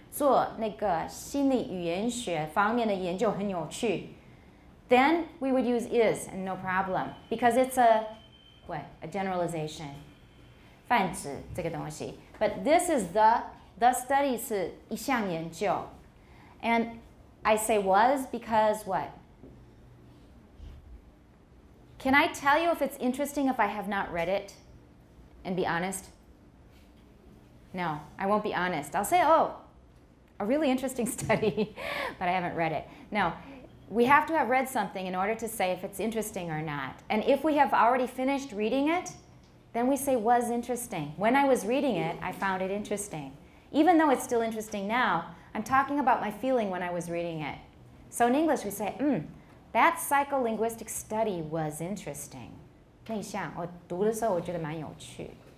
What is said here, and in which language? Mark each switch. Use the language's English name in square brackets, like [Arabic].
[Chinese] 做那个心理语言学方面的研究很有趣。 [English] Then we would use is, and no problem. Because it's a generalization. [Chinese] 泛指这个东西。 [English] But this is the study [Chinese] 是一项研究。 [English] And I say was because what? Can I tell you if it's interesting if I have not read it? And be honest? No, I won't be honest. I'll say, oh, a really interesting study, but I haven't read it. No, we have to have read something in order to say if it's interesting or not. And if we have already finished reading it, then we say was interesting. When I was reading it, I found it interesting. Even though it's still interesting now, I'm talking about my feeling when I was reading it. So in English, we say, that psycholinguistic study was interesting. [Chinese] 内向，我读的时候我觉得蛮有趣。